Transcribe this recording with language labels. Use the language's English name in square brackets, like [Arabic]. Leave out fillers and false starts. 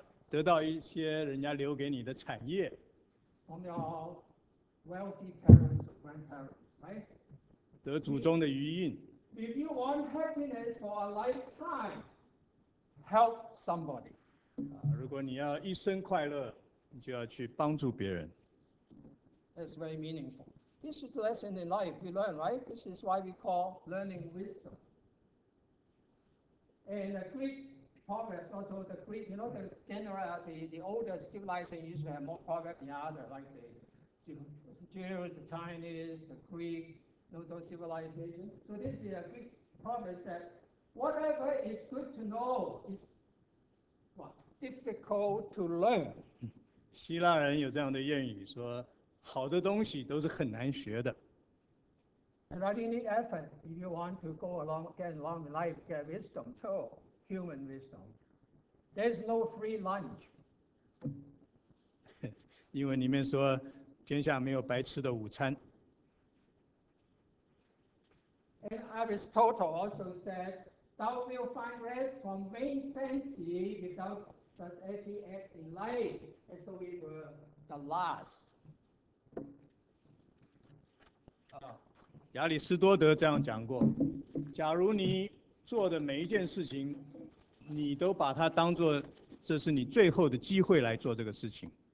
[Chinese] 如果你想快乐一年，你最好能够得到一些人家留给你的产业。 [English] From your wealthy parents or grandparents, right? [Chinese] 得祖宗的余荫。 [English] If you want happiness for a lifetime, help somebody. [Chinese] 如果你要一生快乐，你就要去帮助别人。 [English] That's very meaningful. This is the lesson in life we learn, right? This is why we call learning wisdom. And the Greek proverbs, also the Greek, you know, the general, the older civilization used to have more proverbs than other, like the Jews, the Chinese, the Greek, you know, those civilizations. So this is a Greek proverb that whatever is good to know is difficult to learn. [Chinese] 希腊人有这样的谚语说，好的东西都是很难学的。 [English] And that you need effort if you want to go along, get along in life, get wisdom too, human wisdom. There's no free lunch. [Chinese] 英文里面说，天下没有白吃的午餐。 [English] And Aristotle also said, thou will find rest from vain fancy without such as he act in life, as though we were the last. [Chinese] 亚里士多德这样讲过，假如你做的每一件事情你都把它当作这是你最后的机会来做这个事情，